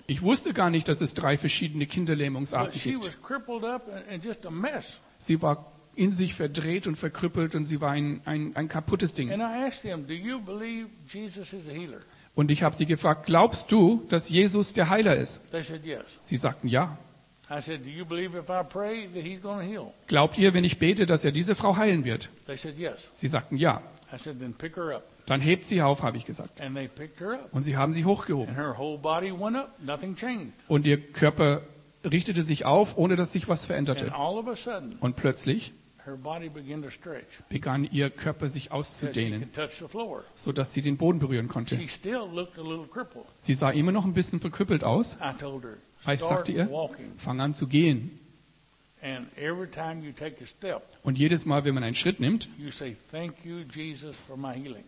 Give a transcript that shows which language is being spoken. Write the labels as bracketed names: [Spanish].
[German] Ich wusste gar nicht, dass es drei verschiedene Kinderlähmungsarten gibt. [English] Was crippled up and just a mess. [German] Sie war in sich verdreht und verkrüppelt und sie war ein kaputtes Ding. [English] And I asked them, do you believe Jesus is a healer? [German] Und ich habe sie gefragt, glaubst du, dass Jesus der Heiler ist? [English] They said yes. [German] Sie sagten ja. [English] I said, do you believe if I pray that he's going to heal? [German] Glaubt ihr, wenn ich bete, dass er diese Frau heilen wird? [English] They said yes. [German] Sie sagten ja. [English] I said, then pick her up. [German] Dann hebt sie auf, habe ich gesagt. [English] And they picked her up. [German] Und sie haben sie hochgehoben. [English] And her whole body went up. Nothing changed. [German] Und ihr Körper richtete sich auf, ohne dass sich was veränderte. [English] And all of a sudden, [German] und plötzlich [English] her body began to stretch, [German] begann ihr Körper sich auszudehnen, sodass sie den Boden berühren konnte. [English] She still looked a little crippled. [German] Sie sah immer noch ein bisschen verkrüppelt aus. [English] I told her, [German] ich sagte ihr, fang an zu gehen. [English] And every time you take a step, [German] und jedes Mal, wenn man einen Schritt nimmt, [English] you say, thank you, Jesus, for my healing.